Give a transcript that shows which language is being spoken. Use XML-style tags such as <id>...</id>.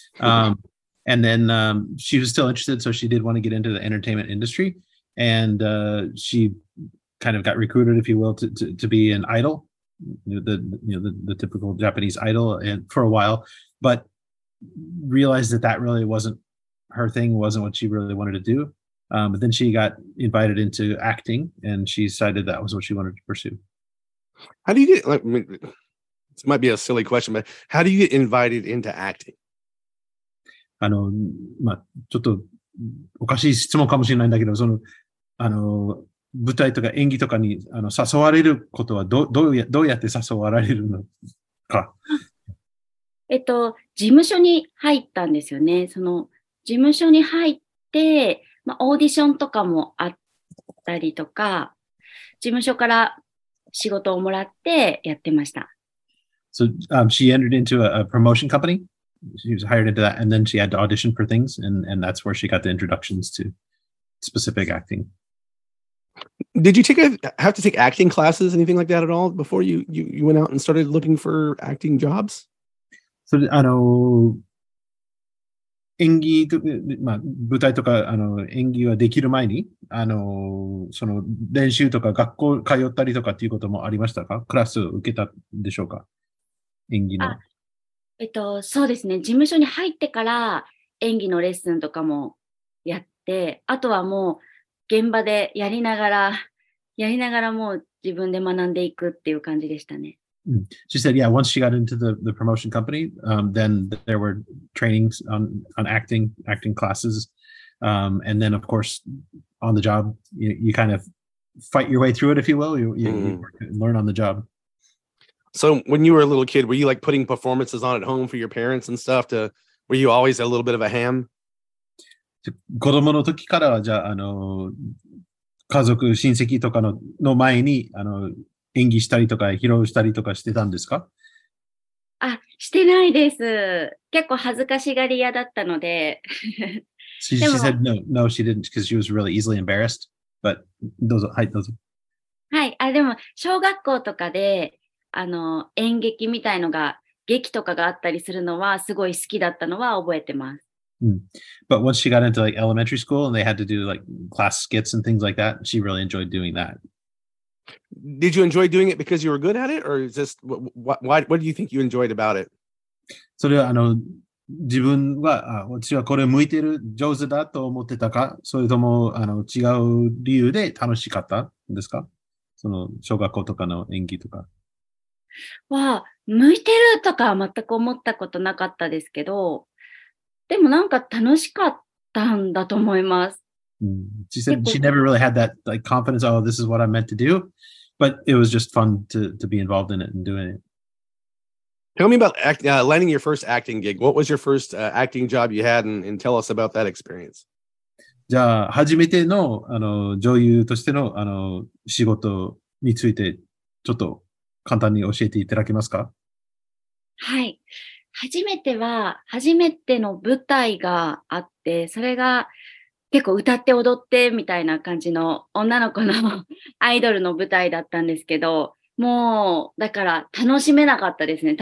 <en>And then she was still interested, so she did want to get into the entertainment industry, and sheKind of got recruited, if you will, to be an idol, the typical Japanese idol, and for a while, but realized that really wasn't her thing, wasn't what she really wanted to do. But then she got invited into acting, and she decided that was what she wanted to pursue. How do you get, like, I mean, this might be a silly question, but how do you get invited into acting?</en> <ja>あの、まあ、ちょっとおかしい質問かもしれないんだけど、その、あの、舞台とか演技とかにあの誘われることはどうやって誘われるのか。事務所に入ったんですよね。その事務所に入って、まあ、オーディションとかもあったりとか、事務所から仕事をもらってやってました。</ja> <en>So, she entered into a promotion company. She was hired into that, and then she had to audition for things, and that's where she got the introductions to specific acting. Did you have to take acting classes, anything like that at all before you went out and started looking for acting jobs?</en> <ja>So, あの、演技と、まあ、舞台とか、演技はできる前に、その練習とか学校通ったりとかっていうこともありましたか？クラス受けたでしょうか？演技の。そうですね。事務所に入ってから演技のレッスンとかもやって、あとはもう現場でやりながらもう自分で学んでいくっていう感じでしたね。</ja> <en>She said, yeah, once she got into the promotion company, then there were trainings on acting classes. And then, of course, on the job, you kind of fight your way through it, if you will. You learn on the job. So when you were a little kid, were you like putting performances on at home for your parents and stuff? Were you always a little bit of a ham?</en> <ja>子供の時からじゃあ、家族、親戚とかの前に、演技したりとか披露したりとかしてたんですか？あ、してないです。結構恥ずかしがり屋だったので。</ja> <en>she said no, she didn't, because she was really easily embarrassed.</en> <ja>But どうぞ、はい、どうぞ。はい、あ、でも小学校とかで演劇みたいのが、劇とかがあったりするのはすごい好きだったのは覚えてます。</ja> <en>But once she got into like elementary school and they had to do like class skits and things like that, she really enjoyed doing that. Did you enjoy doing it because you were good at it, or is this what do you think you enjoyed about it?</en> <ja>それは自分は私はこれ向いてる上手だと思ってたか、それとも違う理由で楽しかったんですか？その小学校とかの演技とか。わあ、向いてるとかは全く思ったことなかったですけど、でもなんか楽しかったんだと思います。</ja> <en>She said she never really had that like confidence. Oh, this is what I'm meant to do, but it was just fun to be involved in it and doing it. Tell me about landing your first acting gig. What was your first acting job you had, and tell us about that experience.</en> <ja>じゃあ初めて の, 女優としての仕事についてちょっと簡単に教えていただけますか？はい、初めての舞台があって、それが結構歌って踊ってみたいな感じの女の子のアイドルの舞台だったんですけど、もうだから楽しめなかったですね。</ja>